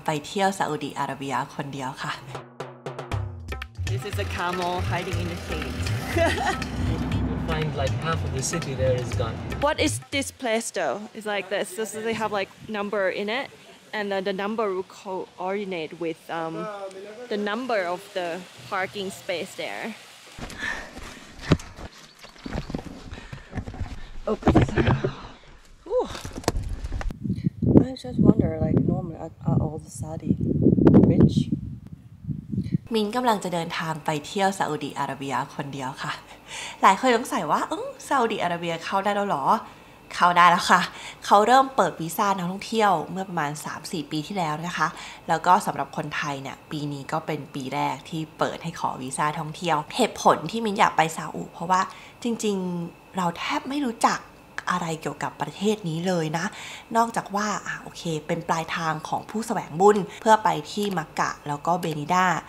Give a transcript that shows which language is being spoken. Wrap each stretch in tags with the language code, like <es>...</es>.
<th>ไปเที่ยวซาอุดิอาระเบียคนเดียวค่ะ</th> <en>This is a camel hiding in the shade. You'll find like half of the city there is gone. What is this place though? It's like this. This is, they have like number in it, and the number will coordinate with the number of the parking space there. Oops. Ooh. I just wonder, like, normally, are all the Saudi rich?</en> <th>มินกำลังจะเดินทางไปเที่ยวซาอุดิอาระเบียคนเดียวค่ะหลายคนสงสัยว่าซาอุดิอาระเบียเข้าได้แล้วหรอเข้าได้แล้วค่ะเขาเริ่มเปิดวีซ่านักท่องเที่ยวเมื่อประมาณ 3-4 ปีที่แล้วนะคะแล้วก็สำหรับคนไทยเนี่ยปีนี้ก็เป็นปีแรกที่เปิดให้ขอวีซ่าท่องเที่ยวเหตุผลที่มินอยากไปซาอุเพราะว่าจริงๆเราแทบไม่รู้จักอะไรเกี่ยวกับประเทศนี้เลยนะนอกจากว่าโอเคเป็นปลายทางของผู้แสวงบุญเพื่อไปที่มักกะแล้วก็เบนิด้า</th>